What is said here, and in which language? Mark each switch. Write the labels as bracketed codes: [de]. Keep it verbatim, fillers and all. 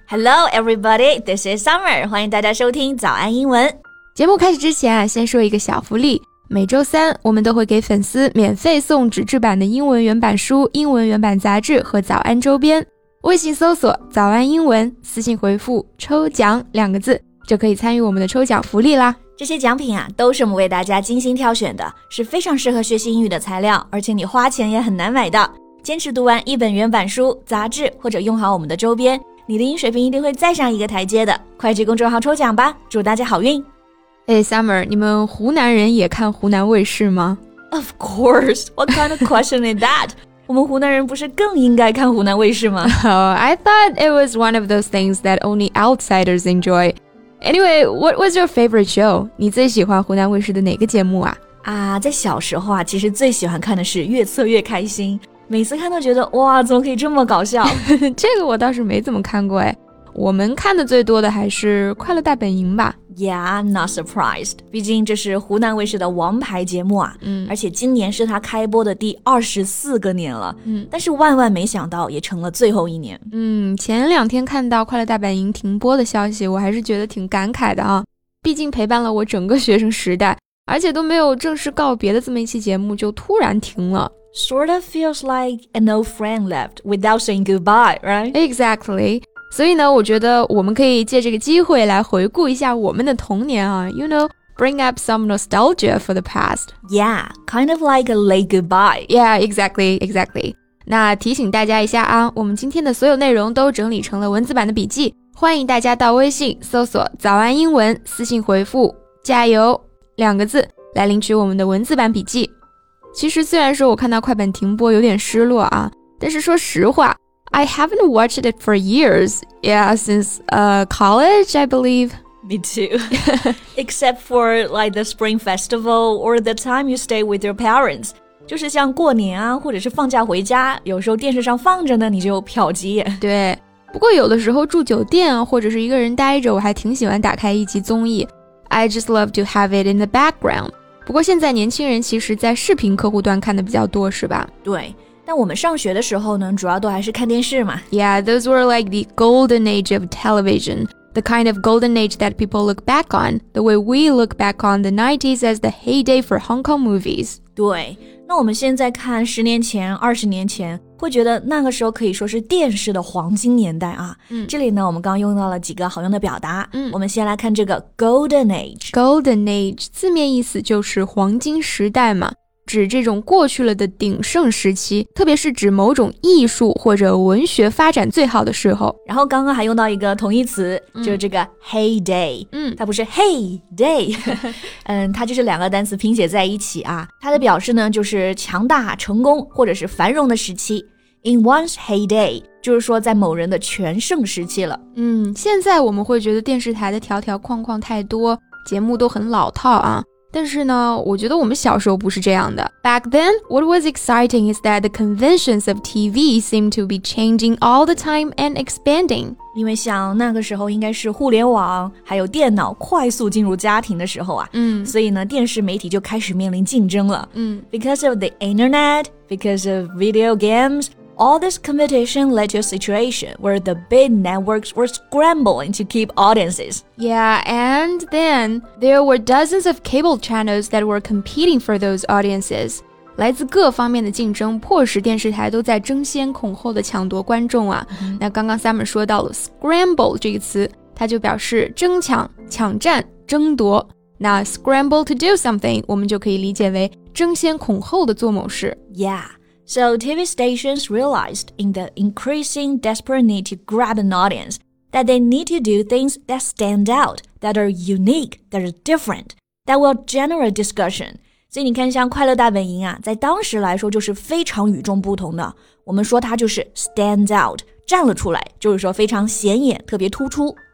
[en] Hello everybody, this is Summer. [zh] 欢迎大家收听早安英文。节目开始之前啊，先说一个小福利。每周三我们都会给粉丝免费送纸质版的英文原版书、英文原版杂志和早安周边。微信搜索早安英文，私信回复抽奖两个字，就可以参与我们的抽奖福利啦。这些奖品啊，都是我们为大家精心挑选的，是非常适合学习英语的材料，而且你花钱也很难买到。坚持读完一本原版书、杂志，或者用好我们的周边，你的英语水平一定会再上一个台阶的。快去公众号抽奖吧，祝大家好运！哎 Summer, 你们湖南人也看湖南卫视吗？ [en] Of course, what kind of question is that? [zh] 我们湖南人不是更应该看湖南卫视吗？ [en] Oh, I thought it was one of those things that only outsiders enjoy. Anyway, what was your favorite show? [zh] 你最喜欢湖南卫视的哪个节目啊？啊，在小时候啊，其实最喜欢看的是《越策越开心》。每次看都觉得哇，怎么可以这么搞笑？这个我倒是没怎么看过哎。我们看的最多的还是《快乐大本营》吧。 [en] Yeah, I'm not surprised. [zh] 毕竟这是湖南卫视的王牌节目啊。嗯，而且今年是它开播的第二十四个年了。嗯，但是万万没想到，也成了最后一年。嗯，前两天看到《快乐大本营》停播的消息，我还是觉得挺感慨的啊。毕竟陪伴了我整个学生时代，而且都没有正式告别的这么一期节目就突然停了。 [en] Sort of feels like an old friend left without saying goodbye, right? Exactly. [zh] 所以呢，我觉得我们可以借这个机会来回顾一下我们的童年啊。 [en] You know, bring up some nostalgia for the past. Yeah, kind of like a late goodbye. Yeah, exactly, exactly. [zh] 那提醒大家一下啊，我们今天的所有内容都整理成了文字版的笔记，欢迎大家到微信搜索“早安英文”，私信回复“加油”两个字来领取我们的文字版笔记。其实虽然说我看到快本停播有点失落啊，但是说实话 [en] I haven't watched it for years. Yeah, since、uh, college, I believe. Me too. Except for like the Spring Festival or the time you stay with your parents. [zh] 就是像过年啊，或者是放假回家，有时候电视上放着呢，你就瞟几眼。对，不过有的时候住酒店啊，或者是一个人待着，我还挺喜欢打开一集综艺。 [en] I just love to have it in the background. [zh] 不过现在年轻人其实在视频客户端看的比较多是吧？对，但我们上学的时候呢，主要都还是看电视嘛。 [en] Yeah, those were like the golden age of television. The kind of golden age that people look back on, the way we look back on the nineties as the heyday for Hong Kong movies. [zh] 对，那我们现在看十年前、二十年前，会觉得那个时候可以说是电视的黄金年代啊。嗯，这里呢，我们刚刚用到了几个好用的表达。嗯，我们先来看这个 golden age。 golden age 字面意思就是黄金时代嘛，指这种过去了的鼎盛时期，特别是指某种艺术或者文学发展最好的时候。然后刚刚还用到一个同义词，嗯，就是这个 heyday。嗯，它不是 heyday 嗯，它就是两个单词拼写在一起啊。它的表示呢，就是强大、成功或者是繁荣的时期。 [en] In one's heyday, [zh] 就是说在某人的全盛时期了。嗯，现在我们会觉得电视台的条条框框太多，节目都很老套啊。但是呢，我觉得我们小时候不是这样的。 [en] Back then, what was exciting is that the conventions of T V seemed to be changing all the time and expanding. [zh] 因为像那个时候应该是互联网还有电脑快速进入家庭的时候啊，嗯，所以呢，电视媒体就开始面临竞争了。嗯 [en] Because of the internet, because of video games,All this competition led to a situation where the big networks were scrambling to keep audiences. Yeah, and then there were dozens of cable channels that were competing for those audiences. [zh] 来自各方面的竞争，迫使电视台都在争先恐后的抢夺观众啊。 Mm-hmm. 那刚刚 Summer 说到了 scramble 这个词，它就表示争抢、抢占、争夺。那 [en] scramble to do something [zh] 我们就可以理解为争先恐后的做某事。 [en] Yeah. So T V stations realized in the increasing desperate need to grab an audience that they need to do things that stand out, that are unique, that are different, that will generate discussion. [zh] 所以你看像快乐大本营啊，在当时来说就是非常与众不同的。我们说它就是 [en] stand out, [zh] 站了出来，就是说非常显眼，特别突出。